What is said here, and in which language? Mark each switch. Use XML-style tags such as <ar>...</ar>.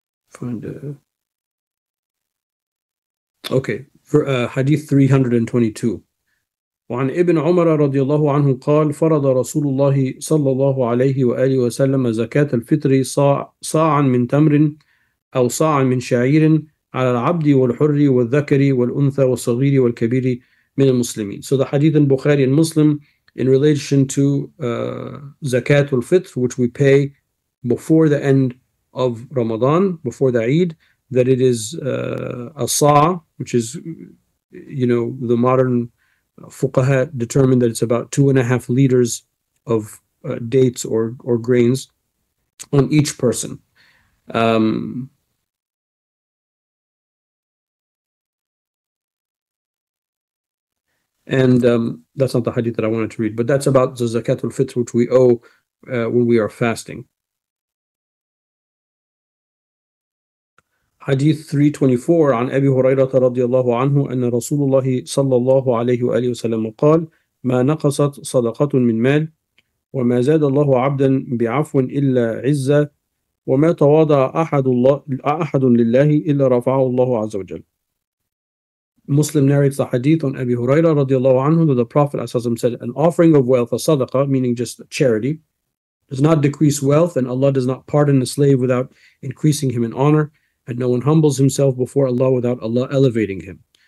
<en>Find okay, for Hadith 322.</en> <ar>وعن ابن عمر رضي الله عنه قال فرض رسول الله صلى الله عليه وآله وسلم زكاة الفطر صاع من تمر أو صاع من شعير على العبد والحر والذكر والأنثى والصغير والكبير من المسلمين.</ar> <en>So the hadith in Bukhari and Muslim in relation to zakat al-fitr, which we pay before the end of Ramadan, before the Eid, that it is a sa', which is, you know, the modern fuqaha determined that it's about 2.5 liters of dates or grains on each person. And that's not the hadith that I wanted to read, but that's about the zakatul fitr, which we owe when we are fasting. Hadith 324</en> <ar>عن أبي هريرة رضي الله عنه أن رسول الله صلى الله عليه وآله وسلم قال ما نقصت صدقة من مال وما زاد الله عبدا بعفو إلا عزة وما تواضع أحد لله إلا رفعه الله عز وجل.</ar> <en>Muslim narrates the hadith on Abi Huraira radiallahu anhu that the Prophet said, an offering of wealth, a sadaqah, meaning just charity, does not decrease wealth, and Allah does not pardon the slave without increasing him in honor, and no one humbles himself before Allah without Allah elevating him.</en>